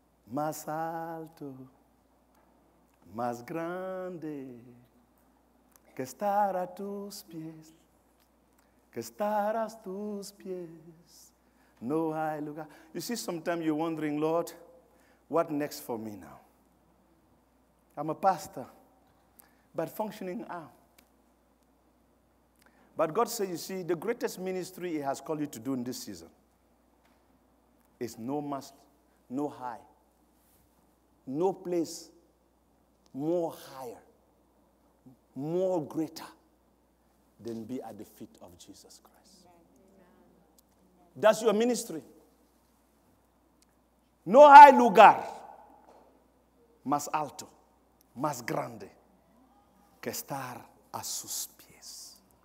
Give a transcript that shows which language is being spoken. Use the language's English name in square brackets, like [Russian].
[Spanish] más alto, más grande, que estar a tus pies, que estar a tus pies, no hay lugar. [English] You see, sometimes you're wondering, Lord, what next for me now? I'm a pastor, but functioning out. But God says, you see, the greatest ministry he has called you to do in this season is no must, no high, no place more higher, more greater than be at the feet of Jesus Christ. That's your ministry. [Spanish] No high lugar, más alto, más grande, que estar a sus pies.